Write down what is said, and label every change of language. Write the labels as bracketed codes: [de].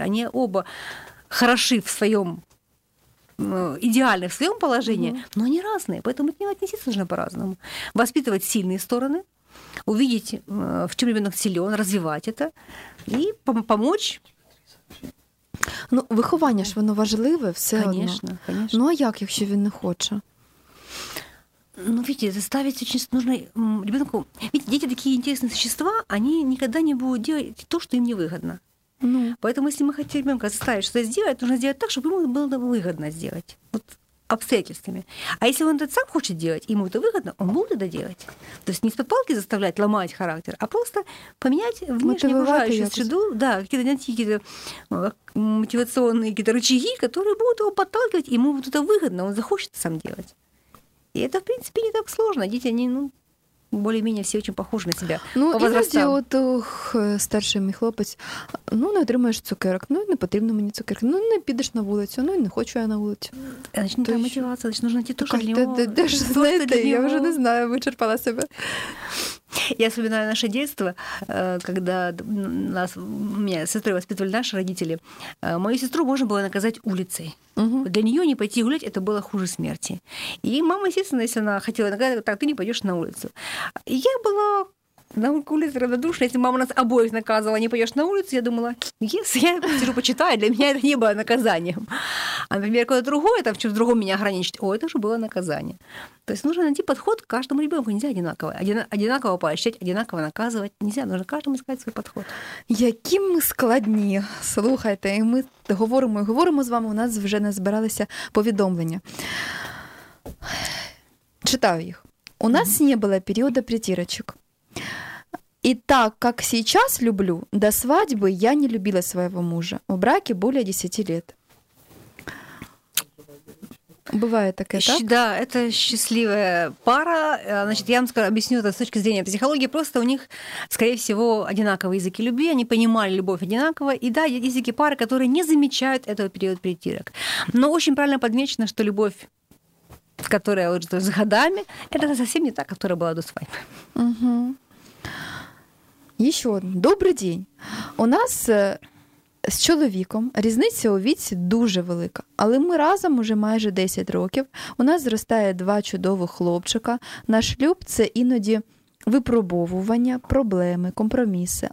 [ru] Они оба хороши в своем идеальны в своем положении, но они разные, поэтому к ним относиться нужно по-разному. Воспитывать сильные стороны, увидеть, в чем ребенок силен, развивать это и помочь. [uk] Ну, виховання ж воно важливе, все [ru] конечно, [uk] одно. [ru] Конечно. [uk] Ну, а як, якщо він не хоче? [ru] Ну, видите, заставить очень нужно ребенку. Видите, дети такие интересные существа, они никогда не будут делать то, что им невыгодно. Ну. Поэтому, если мы хотим ребенка заставить что-то сделать, нужно сделать так, чтобы ему было выгодно сделать. Вот обстоятельствами. А если он это сам хочет делать, ему это выгодно, он будет это делать. То есть не с подпалки заставлять ломать характер, а просто поменять внешнюю окружающую среду, да, какие-то какие-то мотивационные какие-то рычаги, которые будут его подталкивать, ему вот это выгодно, он захочет это сам делать. И это, в принципе, не так сложно. Дети, они, ну, более-менее все очень похожи на себя. Ну, по возрастам. [uk] Іноді от старший мій хлопець, ну, не отримаєш цукерок, ну, не потрібно мені цукерки, ну, не підеш на вулицю, ну, і не хочу я на вулицю. Значить, треба мотивація, значить, [ru] нужно [uk] йти тоже для нього. Де ж знайти? Я вже не знаю, вичерпала себе. [ru] Я вспоминаю наше детство, когда нас, меня сестры воспитывали наши родители. Мою сестру можно было наказать улицей. Для нее не пойти гулять, это было хуже смерти. И мама, естественно, если она хотела наказать, так ты не пойдешь на улицу. Я была на улице равнодушна. Если мама нас обоих наказывала, не пойдешь на улицу, я думала, если я сижу, почитаю, для меня это не было наказанием. А, например, кто-то другой, там, что-то другое меня ограничить, о, это уже было наказание. То есть нужно найти подход к каждому ребенку. Нельзя одинаково. Одинаково поощрять, одинаково наказывать. Нельзя. Нужно каждому искать свой подход. [uk] Які ми складні. Слухайте, і ми говоримо і говоримо з вами. У нас вже не збиралися повідомлення. Читаю їх. У нас не було періоду притірочок. [ru] И так, как сейчас люблю, до свадьбы я не любила своего мужа. В браке более 10 лет. Бывает такое, так? Да, это счастливая пара. Значит, я вам скажу, объясню это с точки зрения психологии. Просто у них, скорее всего, одинаковые языки любви. Они понимали любовь одинаково. И да, есть языки пары, которые не замечают этого периода притирок. Но очень правильно подмечено, что любовь, которая вот с годами, это совсем не та, которая была до свадьбы. [uk] Угу. Ще один. Добрий день. У нас з чоловіком різниця у віці дуже велика. Але ми разом уже майже 10 років. У нас зростає два чудових хлопчика. Наш шлюб – це іноді випробовування, проблеми, компроміси.